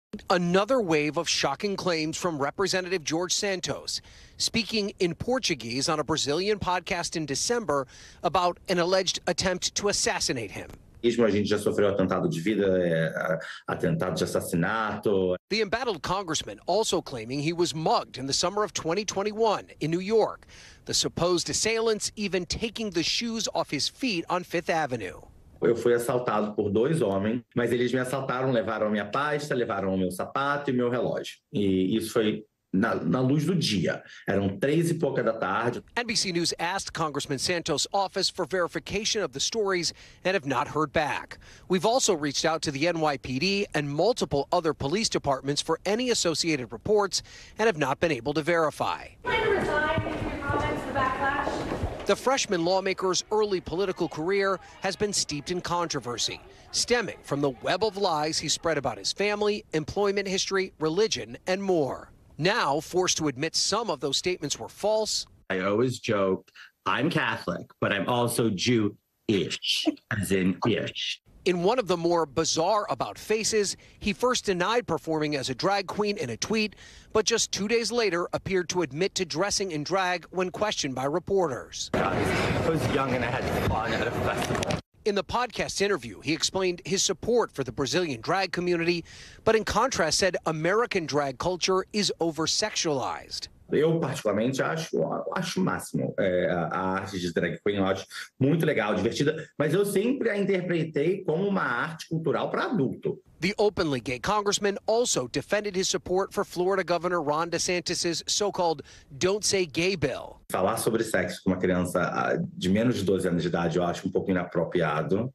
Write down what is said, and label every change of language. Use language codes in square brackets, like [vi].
[en] Another wave of shocking claims from Representative George Santos, speaking in Portuguese on a Brazilian podcast in December about an alleged attempt to assassinate him. The embattled congressman also claiming he was mugged in the summer of 2021 in New York, the supposed assailants even taking the shoes off his feet on Fifth Avenue. [pt] Eu fui assaltado por dois homens, mas eles me assaltaram, levaram minha pasta, levaram o meu sapato e meu relógio. E isso foi na luz do dia. Eram 3:00 PM. [en] NBC News asked Congressman Santos' office for verification of the stories and have not heard back. We've also reached out to the NYPD and multiple other police departments for any associated reports and have not been able to verify. The freshman lawmaker's early political career has been steeped in controversy, stemming from the web of lies he spread about his family, employment history, religion, and more. Now forced to admit some of those statements were false. I always joke, I'm Catholic, but I'm also Jew-ish, as in ish. In one of the more bizarre about faces, he first denied performing as a drag queen in a tweet, but just 2 days later appeared to admit to dressing in drag when questioned by reporters. I was young and I had fun at a festival. In the podcast interview, he explained his support for the Brazilian drag community, but in contrast said American drag culture is over-sexualized. [pt] Eu particularmente acho o máximo a arte de drag queen, eu acho muito legal, divertida, mas eu sempre a interpretei como uma arte cultural para adulto. [en] The openly gay congressman also defended his support for Florida Governor Ron DeSantis's so-called Don't Say Gay Bill. [pt] Falar sobre sexo com uma criança de menos de 12 anos de idade eu acho um pouco inapropriado.